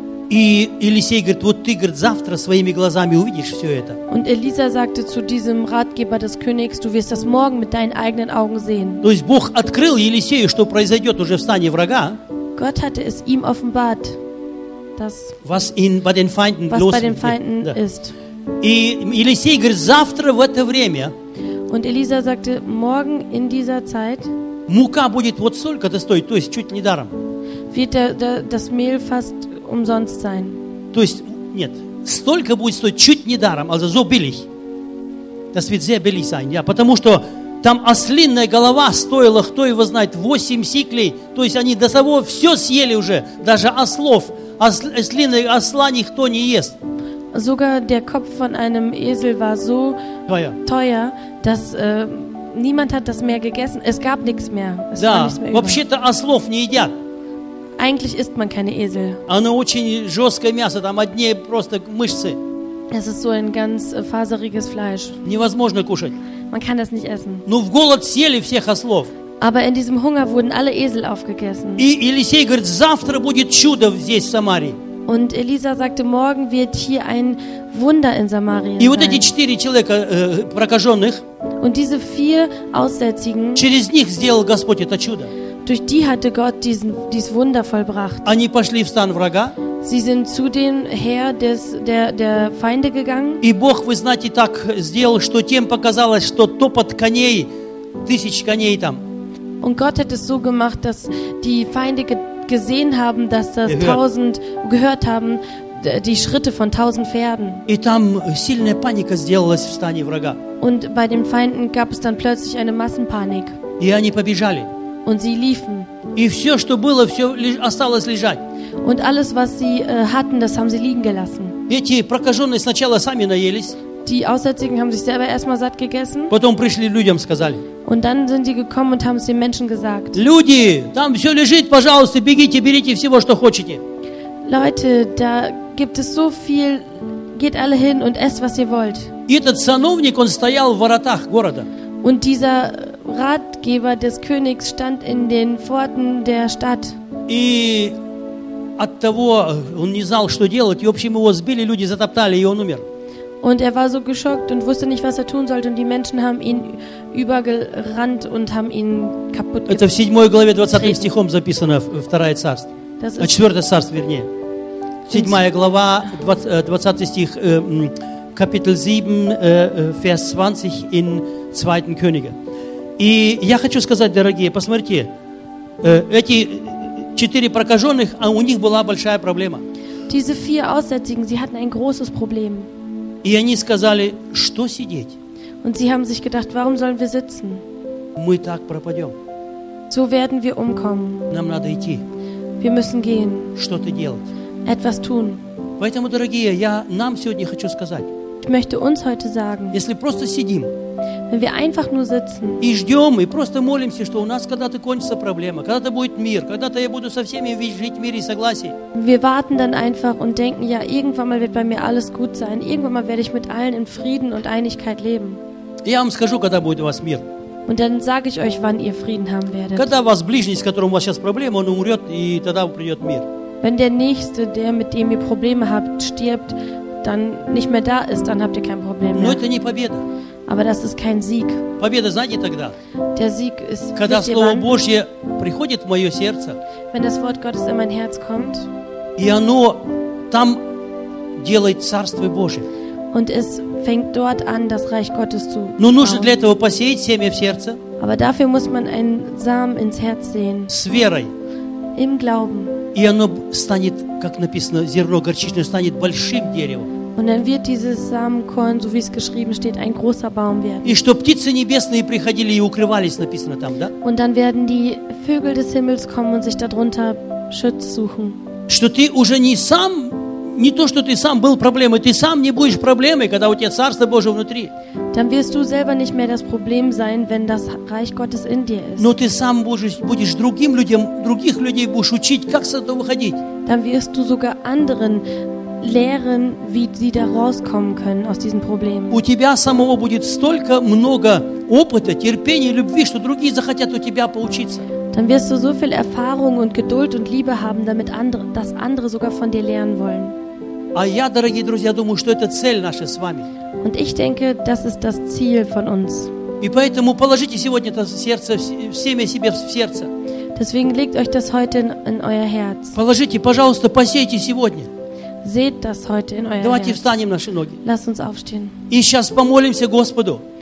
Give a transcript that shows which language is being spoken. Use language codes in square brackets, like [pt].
[ru] И Елисей говорит, вот ты, говорит, завтра своими глазами увидишь все это. [de] Und Elisa sagte zu diesem Ratgeber des Königs, du wirst das morgen mit deinen eigenen Augen sehen. [ru] То есть Бог открыл Елисею, что произойдет уже в стане врага. [de] Gott hatte es ihm offenbart, dass was in bei den Feinden was los bei den Feinden ja. ist. [ru] И Елисей говорит, завтра в это время. [de] Und Elisa sagte, morgen in dieser Zeit. [ru] Мука будет вот столько-то стоить, то есть чуть не даром. [de] Wird das Mehl fast umsonst sein. [ru] То есть нет, столько будет стоить чуть не даром, [de] also so billig. Das wird sehr billig sein, ja, [ru] потому что там ослиная голова стоила, кто его знает, 8 сиклей. То есть они до того все съели уже, даже ослов. Ослиный осла никто не ест. [de] Sogar der Kopf von einem Esel war so teuer, dass niemand hat das mehr gegessen. Es gab nichts mehr. Es [ru] да, [de] mehr [ru] вообще-то ослов не едят. [de] Eigentlich isst man keine Esel. [ru] Оно очень жесткое мясо, там одни просто мышцы. [de] Es ist so ein ganz faseriges Fleisch. [ru] Невозможно кушать. [de] Man kann das nicht essen. [ru] Но в голод съели всех ослов. [de] Aber in diesem Hunger wurden alle Esel aufgegessen. [ru] И Елисей говорит, завтра будет чудо здесь, в Самарии. [de] Und Elisa sagte, morgen wird hier ein Wunder in Samaria sein. [ru] И вот эти четыре человека, прокаженных, [de] und diese vier Aussätzigen, [ru] через них сделал Господь это чудо. [de] Durch die hatte Gott dieses Wunder vollbracht. [ru] Они пошли в стан врага. [de] Sie sind zu dem Herr der Feinde gegangen. [ru] И Бог, вы знаете, так сделал, что тем показалось, что топот коней, тысяч коней там. [de] Und Gott hat es so gemacht, dass die Feinde gesehen haben, dass das tausend gehört haben, die Schritte von tausend Pferden. [ru] И там сильная паника сделалась в стане врага. [de] Und bei den Feinden gab es dann plötzlich eine Massenpanik. [ru] И они побежали. [de] Und sie liefen. [ru] И все, что было, все осталось лежать. [de] Und alles, was sie hatten, das haben sie liegen gelassen. [ru] Эти прокаженные сначала сами наелись. [de] Die Aussätzigen haben sich selber erstmal satt gegessen. [ru] Потом пришли людям, сказали. [de] Und dann sind sie gekommen und haben es den Menschen gesagt. [ru] Люди, там все лежит, пожалуйста, бегите, берите всего, что хотите. [de] Leute, da gibt es so viel, geht alle hin und esst, was ihr wollt. [ru] И этот сановник, он стоял в воротах города. [de] Und dieser Ratgeber des Königs stand in den Pforten der Stadt. [ru] И от того он не знал, что делать, и в общем его сбили, люди затоптали, и он умер. [de] Und er war so geschockt und wusste nicht, was er tun sollte. Und die Menschen haben ihn übergerannt und haben ihn kaputt gemacht. [ru] Это в 7 главе 20 стихом записано, второе царство. [de] Das ist 4. [ru] Царство, вернее. 7 глава, 20 стих, [de] Kapitel 7, Vers 20 in 2. Könige. [ru] И я хочу сказать, дорогие, посмотрите, эти четыре прокаженных, а у них была большая проблема. [de] Diese vier Aussätzigen, sie hatten ein großes Problem. [ru] И они сказали, что сидеть? [de] Und sie haben sich gedacht, warum sollen wir sitzen? [ru] Мы так пропадем. [de] So werden wir umkommen. [ru] Нам надо идти. [de] Wir müssen gehen. [ru] Что-то делать. [de] Etwas tun. [ru] Поэтому, дорогие, я нам сегодня хочу сказать. [de] Ich möchte uns heute sagen. [ru] Если просто сидим. [de] Wenn wir einfach nur sitzen. [ru] И ждем, и просто молимся, что у нас когда-то кончится проблема, когда-то будет мир, когда-то я буду со всеми жить в мире и согласии. [de] Wir warten dann einfach und denken, ja, irgendwann mal wird bei mir alles gut sein, irgendwann mal werde ich mit allen in Frieden und Einigkeit leben. [ru] Я вам скажу, когда будет у вас мир. [de] Und dann sage ich euch, wann ihr Frieden haben werdet. [ru] Когда у вас ближний, с которым у вас сейчас проблема, он умрет, и тогда придет мир. [de] Wenn der Nächste, der mit dem ihr Probleme habt, stirbt, dann nicht mehr da ist, dann habt ihr kein Problem mehr. [ru] Но это не победа. [de] Aber das ist kein Sieg. [ru] Победа, знаете, тогда, [de] der Sieg ist, [ru] когда Слово Божье приходит в мое сердце, [de] wenn das Wort Gottes in mein Herz kommt, [ru] и оно там делает Царство Божие. [de] Und es fängt dort an, das Reich Gottes zu bauen. [ru] Но нужно для этого посеять семя в сердце. [de] Aber dafür muss man einen Samen ins Herz sehen. [ru] С верой. [de] Im Glauben. [ru] И оно станет, как написано, зерно горчичное станет большим деревом. [de] Und dann wird dieses Samenkorn, so wie es geschrieben steht, ein großer Baum werden. [ru] И что птицы небесные приходили и укрывались, написано там, да? [de] Und dann werden die Vögel des Himmels kommen und sich darunter Schutz suchen. [ru] Что ты уже не сам, не то, что ты сам был проблемой, ты сам не будешь проблемой, когда у тебя Царство Божие внутри. [de] Dann wirst du selber nicht mehr das Problem sein, wenn das Reich Gottes in dir ist. [ru] Но ты сам будешь другим людям, других людей будешь учить, как с этого выходить. [de] Dann wirst du sogar anderen lehren, wie sie da rauskommen können aus diesen Problemen. [ru] У тебя самого будет столько много опыта, терпения, любви, что другие захотят у тебя поучиться. [de] Dann wirst du so viel Erfahrung und Geduld und Liebe haben, damit andere, dass andere sogar von dir lernen wollen. [ru] А я, дорогие друзья, думаю, что это цель наша с вами. [de] Und ich denke, das ist das Ziel von uns. [ru] И поэтому положите сегодня это сердце, семя себе в сердце. [de] Deswegen legt euch das heute in euer Herz. [ru] Положите, пожалуйста, посейте сегодня. [de] Seht das heute in euer [ru] Давайте [de] Herz. [ru] Встанем наши ноги. [de] Lasst uns aufstehen. [ru] И сейчас помолимся Господу.